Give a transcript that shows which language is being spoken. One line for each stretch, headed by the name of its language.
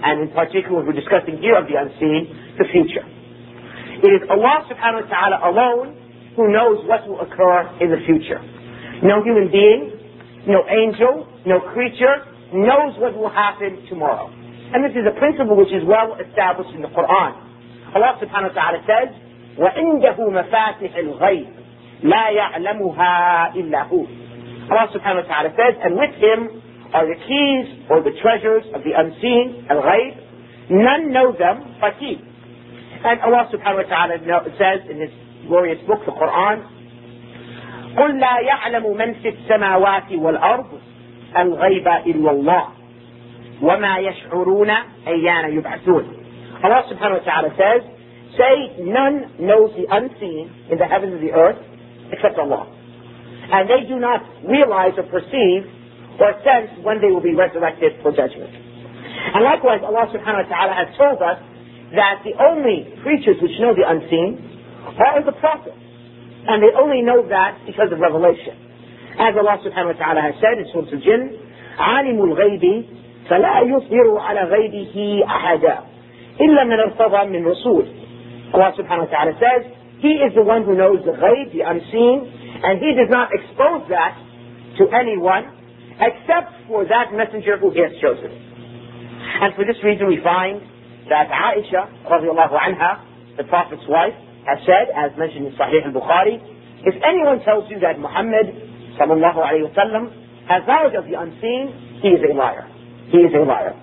English: And in particular, we're discussing here of the unseen, the future. It is Allah subhanahu wa ta'ala alone who knows what will occur in the future. No human being, no angel, no creature knows what will happen tomorrow. And this is a principle which is well established in the Quran. Allah subhanahu wa ta'ala says,
Arabic: وَإِنْدَهُ مَفَاتِحِ الْغَيْبِ لَا يَعْلَمُهَا إِلَّا هُوَ.
English: Allah subhanahu wa ta'ala says, and with him are the keys or the treasures of the unseen, al-ghayb. None know them but he. And Allah subhanahu wa ta'ala says in his glorious book, the Quran,
Arabic: قُلْ لَا يَعْلَمُ مَنْ فِي السَّمَاوَاتِ وَالْأَرْضِ الْغَيْبَ إِلَّا اللَّهِ وَمَا يَشْعُرُونَ أَيَّانَ يُبْعَثُونَ.
English: Allah subhanahu wa ta'ala says, say, none knows the unseen in the heavens and the earth except Allah. and they do not realize or perceive or sense when they will be resurrected for judgment. And likewise, Allah subhanahu wa ta'ala has told us that the only creatures which know the unseen are the prophets. And they only know that because of revelation. As Allah subhanahu wa ta'ala has said in Surah Al-Jinn,
Arabic: عَالِمُ الْغَيْبِ فَلَا يُصْبِرُ عَلَى غَيْبِهِ أَحَدًا إِلَّا مَنَ ارْتَضَى مِنْ رَسُولِ.
English: Allah subhanahu wa ta'ala says, He is the one who knows the ghayb, the unseen, and He does not expose that to anyone except for that messenger who He has chosen. And for this reason we find that Aisha radiallahu anha, the Prophet's wife, has said, as mentioned in Sahih al-Bukhari, if anyone tells you that Muhammad sallallahu alayhi wa sallam has knowledge of the unseen, he is a liar. He is a liar.